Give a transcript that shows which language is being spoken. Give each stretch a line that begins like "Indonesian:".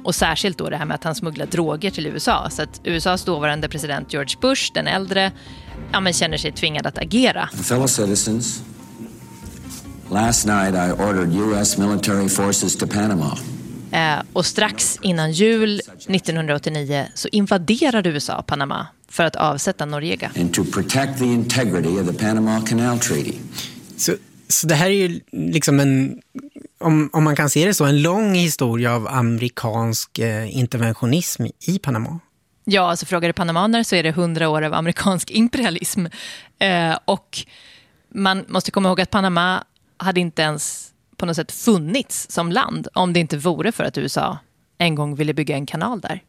Swedish: Och särskilt då det här med att han smugglar droger till USA. Så att USAs dåvarande president George Bush, den äldre, ja, men känner sig tvingad att agera.
English: Fellow citizens, last night I ordered US military forces to Panama.
Swedish: Och strax innan jul 1989 så invaderar USA Panama för att avsätta Noriega.
English: And to protect the integrity of the Panama Canal Treaty.
Swedish: Så det här är ju liksom en, om man kan se det så, en lång historia av amerikansk interventionism i Panama. Ja, alltså frågar du panamaner så är det 100 år av amerikansk imperialism. Och man måste komma ihåg att Panama hade inte ens på något sätt funnits som land om det inte vore för att USA en gång ville bygga en kanal där.